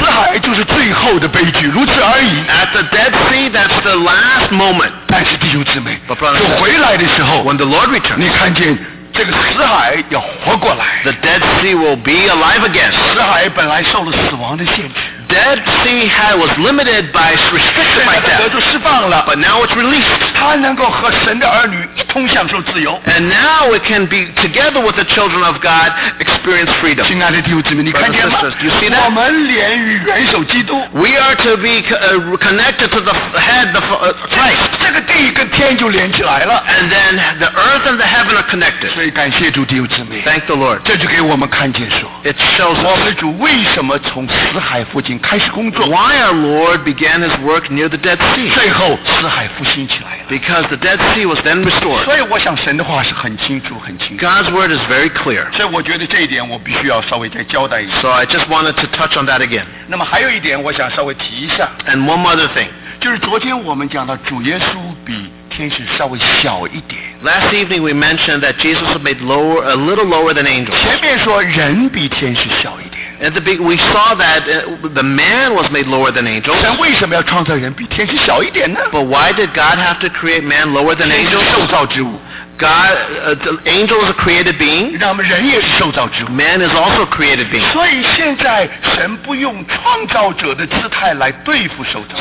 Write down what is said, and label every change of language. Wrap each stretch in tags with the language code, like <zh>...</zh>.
<zh>死海就是最后的悲剧，如此而已。</zh> <en>At the Dead Sea, that's the last moment.</en> <zh>但是弟兄姊妹，</zh> <en>But brothers,</en> <zh>就回来的时候，</zh> <en>When the Lord returns,</en> <zh>你看见。这个死海要活过来。</zh> <en>The Dead Sea will be alive again.</en> <zh>死海本来受了死亡的限制。</zh> <en>Dead Sea had was limited by restriction by death.</en> <zh>现在它得到释放了。</zh> <en>But now it's released.</en> <zh>它能够和神的儿女一同享受自由。</zh> <en>And now it can be together with the children of God experience freedom.</en> <zh>亲爱的弟兄姊妹，你看见吗？</zh> <en>Do you see that?</en> <zh>我们连于元首基督。</zh> <en>We are to be connected to the head, the Christ.</en> <zh>这个地跟天就连起来了。</zh> <en>And then the earth and the heaven are connected.</en> <zh>所以感谢主弟兄姊妹</zh> <en>Thank the Lord</en> <zh>这就给我们看见说</zh> <en>It shows</en> <zh>我们的主为什么从死海附近开始工作</zh> <en>Why our Lord began his work near the Dead Sea</en> <zh>最后死海复兴起来了</zh> <en>Because the Dead Sea was then restored</en> <zh>所以我想神的话是很清楚很清楚</zh> <en>God's word is very clear</en> <zh>所以我觉得这一点我必须要稍微再交代一下</zh> <en>So I just wanted to touch on that again</en> <zh>那么还有一点我想稍微提一下</zh> <en>And one other thing</en> <zh>就是昨天我们讲到主耶稣比天使稍微小一点</zh> <en>Last evening we mentioned that Jesus was made lower, a little lower than angels.</en> <zh>前面说人比天使小一点。</zh> <en>At the beginning, we saw that the man was made lower than angels.</en> <zh>神为什么要创造人比天使小一点呢？</zh> <en>But why did God have to create man lower than angels?</en> <zh>天使受造之物。</zh> <en>God, the angel is a created being.</en> <zh>那么人也是受造之物。</zh> <en>Man is also a created being.</en> <zh>所以现在神不用创造者的姿态来对付受造。</zh>